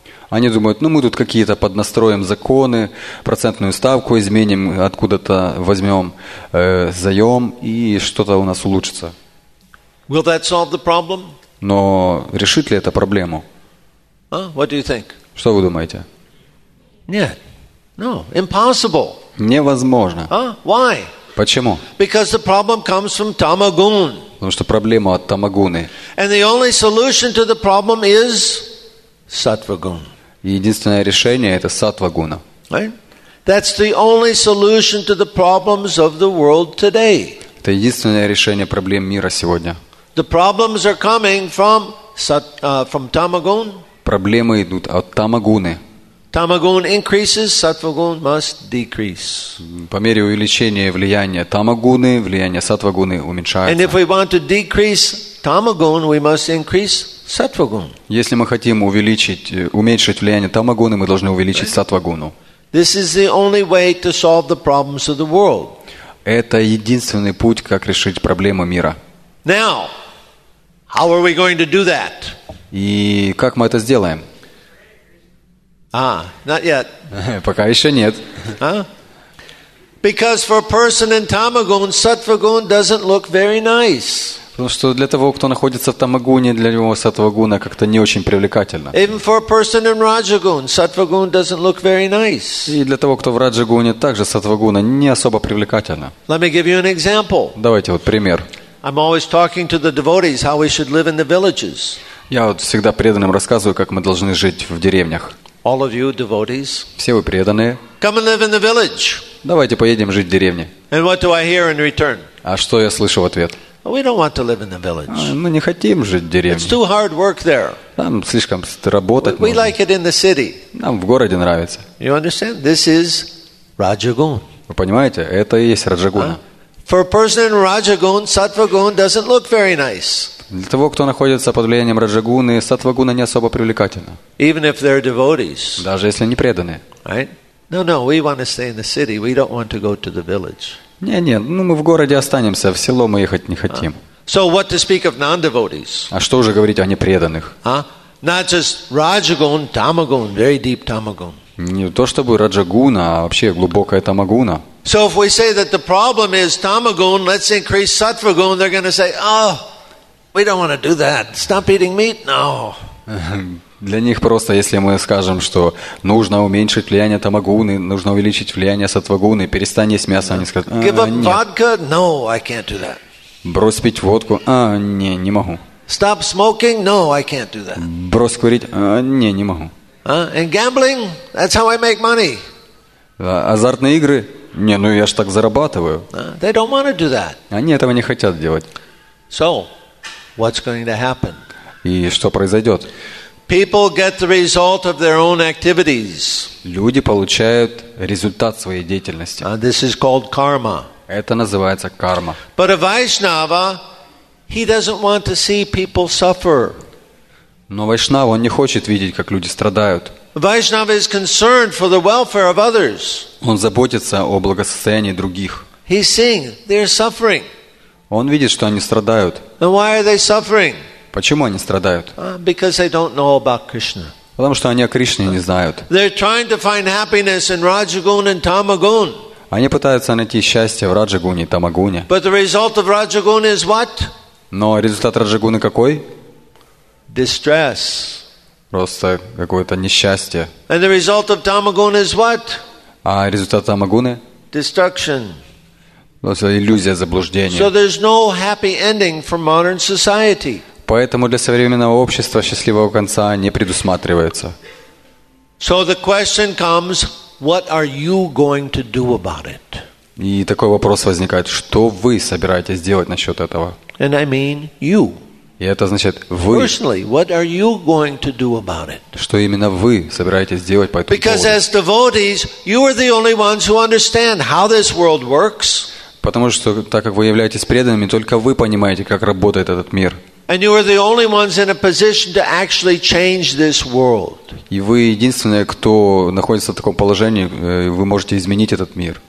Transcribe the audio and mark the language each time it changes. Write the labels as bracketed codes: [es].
[ru] Они думают, мы тут какие-то поднастроим законы, процентную ставку изменим, откуда-то возьмем заем, и что-то у нас улучшится. [en] Will that solve the problem? [ru] Но решит ли это проблему? [en] What do you think? [ru] Что вы думаете? Нет. [en] No, impossible. [ru] Невозможно. [en] Why? [ru] Почему? [en] Because the problem comes from tamagun. [ru] Потому что проблема от тамагуны. [en] And the only solution to the problem is sattvagun. [ru] Единственное решение это сатвагуна. [en] Right? That's the only solution to the problems of the world today. [ru] Это единственное решение проблем мира сегодня. [en] The problems are coming from tamagun. [ru] Проблемы идут от тамагуны. [en] Tamagun increases, sattvagun must decrease. [ru] По мере увеличения влияния тамагуны, влияние сатвагуны уменьшается. [en] And if we want to decrease tamagun, we must increase sattvagun. [ru] Если мы хотим уменьшить влияние тамагуны, мы должны увеличить сатвагуну. [en] This is the only way to solve the problems of the world. [ru] Это единственный путь, как решить проблемы мира. [en] Now, how are we going to do that? [ru] И как мы это сделаем? [en] Not yet. [ru] Пока еще нет. [en] Because for a person in tamagun, sattvagun doesn't look very nice. [ru] Потому что для того, кто находится в тамагуне, для него сатвагуна как-то не очень привлекательно. [en] Even for a person in rajagun, sattvagun doesn't look very nice. [ru] И для того, кто в раджагуне, также сатвагуна не особо привлекательно. [en] Let me give you an example. [ru] Давайте вот пример. [en] I'm always talking to the devotees how we should live in the villages. [ru] Я вот всегда преданным рассказываю, как мы должны жить в деревнях. [en] All of you devotees, [ru] все вы преданные. [en] Come and live in the village. [ru] Давайте поедем жить в деревне. [en] And what do I hear in return? [ru] А что я слышу в ответ? [en] We don't want to live in the village. [ru] Мы не хотим жить в деревне. [en] It's too hard work there. [ru] Там слишком работать. [en] We like it in the city. [ru] Нам в городе нравится. [en] You understand? This is rajagun. [ru] Вы понимаете? Это и есть раджагуна. [en] For a person in rajagun, sattvagun doesn't look very nice. [ru] Для того, кто находится под влиянием раджагуны, сатвагуна не особо привлекательна. [en] Even if they're devotees. [ru] Даже если они преданные. [en] Right? No, we want to stay in the city. We don't want to go to the village. [ru] Не, мы в городе останемся, в село мы ехать не хотим. [en] So what to speak of non-devotees? [ru] А что уже говорить о непреданных? [en] Not just rajagun, tamagun, very deep tamagun. [ru] Не то чтобы раджагуна, а вообще глубокая тамагуна. [en] So if we say that the problem is tamagun, let's increase sattvagun, they're going to say, we don't want to do that. Stop eating meat? No. [ru] Для них просто, если мы скажем, что нужно уменьшить влияние тамагуны, нужно увеличить влияние сатвагуны, перестань есть мясо, они скажут, [en] Give up vodka? No, I can't do that. [ru] Брось пить водку? Не могу. [en] Stop smoking? No, I can't do that. [ru] Брось курить? Не могу. [en] And gambling? That's how I make money. [ru] Азартные игры? Я ж так зарабатываю. [en] They don't want to do that. [ru] Они этого не хотят делать. [en] So, what's going to happen? [ru] И что произойдет? [en] People get the result of their own activities. [ru] Люди получают результат своей деятельности. [en] This is called karma. [ru] Это называется карма. [en] But a Vaishnava, he doesn't want to see people suffer. [ru] Но Вайшнава, он не хочет видеть, как люди страдают. [en] Vaishnava is concerned for the welfare of others. [ru] Он заботится о благосостоянии других. [en] He's seeing they're suffering. [ru] Он видит, что они страдают. [en] And why are they suffering? [ru] Почему они страдают? [en] Because they don't know about Krishna. [ru] Потому что они о Кришне не знают. [en] They're trying to find happiness in Rajagun and Tamagun. [ru] Они пытаются найти счастье в Раджагуне и Тамагуне. [en] But the result of Rajagun is what? [ru] Но результат Раджагуны какой? [en] Distress. [ru] Просто какое-то несчастье. [en] And the result of Tamagun is what? [ru] А результат Тамагуны? [en] Destruction. [ru] Ну, это иллюзия заблуждения. [en] So there's no happy ending for modern society. [ru] Поэтому для современного общества счастливого конца не предусматривается. [en] So the question comes, what are you going to do about it? [ru] И такой вопрос возникает, что вы собираетесь делать насчет этого? [en] And I mean you. [ru] И это значит вы. [en] Personally, what are you going to do about it? [ru] Что именно вы собираетесь делать по этому [en] Because [ru] поводу? [en] As devotees, you are the only ones who understand how this world works. [ru] Потому что так как вы являетесь преданными, только вы понимаете, как работает этот мир. [en] And you are the only ones in a position to actually change this world. [ru] И вы единственные, кто находится в таком положении, вы можете изменить этот мир.